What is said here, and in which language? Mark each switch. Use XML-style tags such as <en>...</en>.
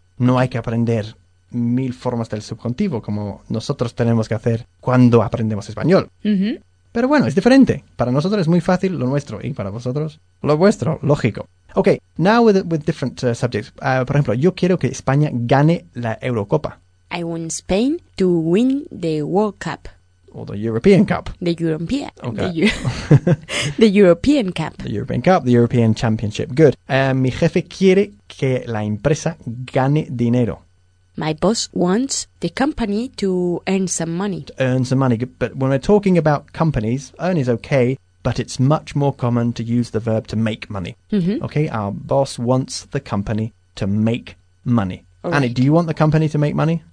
<es>No hay que aprender mil formas del subjuntivo, como nosotros tenemos que hacer cuando aprendemos español. Pero bueno, es diferente. Para nosotros es muy fácil lo nuestro, y para vosotros, lo vuestro, lógico.</es> <en>Ok, now with different subjects.</en> <es>Por ejemplo, yo quiero que España gane la Eurocopa.</es> <en>I want Spain to win the World Cup. Or the European Cup. The European. Okay. The European Cup. The European Cup, the European Championship. Good.</en> <es>Mi jefe quiere que la empresa gane dinero.</es> <en>My boss wants the company to earn some money. To earn some money. But when we're talking about companies, earn is okay, but it's much more common to use the verb to make money. Okay, our boss wants the company to make money. Right. Annie, do you want the company to make money?</en>